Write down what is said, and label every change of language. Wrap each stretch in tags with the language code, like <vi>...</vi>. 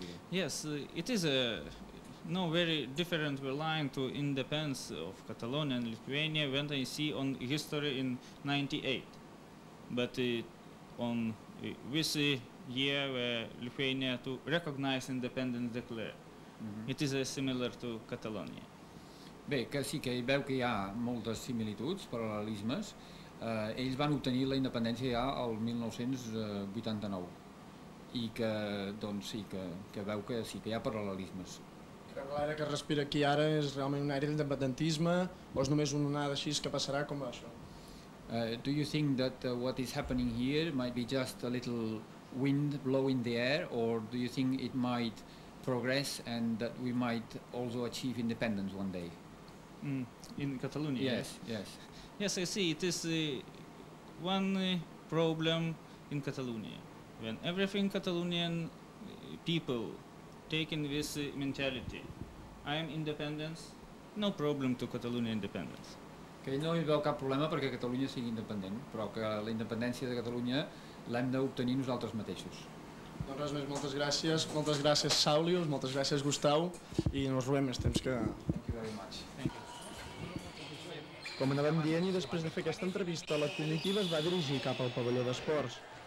<en>Yes, it is a no very different line to independence of Catalonia and Lithuania when I see on history in 98. But on this year where Lithuania to recognize independence declare. Mm-hmm. It is a similar to Catalonia.</en> <ca>Bé, que sí que veu que hi ha moltes similituds, paral·lelismes. Ells van obtenir la independència ja el 1989 i que, doncs, sí, que veu que sí que hi ha paral·lelismes. Creu que l'aire que es respira aquí ara és realment un aire d'independentisme o és només una onada així que passarà? Com va això?</ca> <en>Do you think that what is happening here might be just a little wind blowing the air, or do you think it might progress and that we might also achieve independence one day? In Catalonia? Yes, yes. Yes, I see. It is one problem in Catalonia. When everything Catalonian people taking this mentality, I am independence, no problem to Catalonia independence.</en> <ca>Que ell no hi veu cap problema perquè Catalunya sigui independent, però que la independència de Catalunya l'hem d'obtenir nosaltres mateixos. Doncs res més, moltes gràcies Saulius, moltes gràcies Gustau, i no us robem més temps que...</ca> <en>Thank you very much.</en> <ca>Com anàvem dient, i després de fer aquesta entrevista, la comitiva es va dirigir cap al pavelló d'esports.</ca>